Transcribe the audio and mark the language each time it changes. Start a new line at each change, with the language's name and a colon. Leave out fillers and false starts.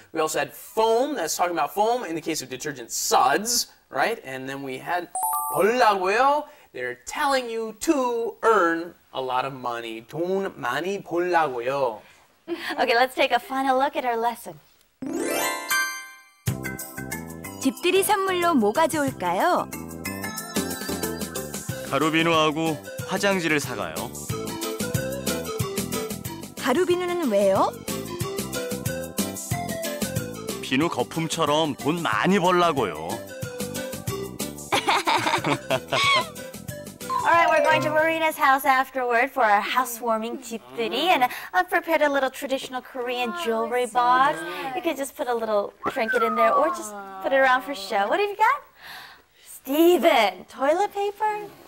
English: We also had foam, that's talking about foam. In the case of detergent, suds, right? And then we had 벌라고요, they're telling you to earn a lot of money.
Korean: 돈 많이 벌라고요.
English: Okay, let's take a final look at our lesson.
Korean: 집들이 선물로 뭐가 좋을까요? 가루비누하고 화장지를 사가요. 가루비누는 왜요? 비누 거품처럼 돈 많이 벌라고요.
English: All right, we're going to Marina's house afterward for our housewarming 집들이. And I've prepared a little traditional Korean jewelry box. You could just put a little trinket in there or just put it around for show. What have you got? Steven, toilet paper?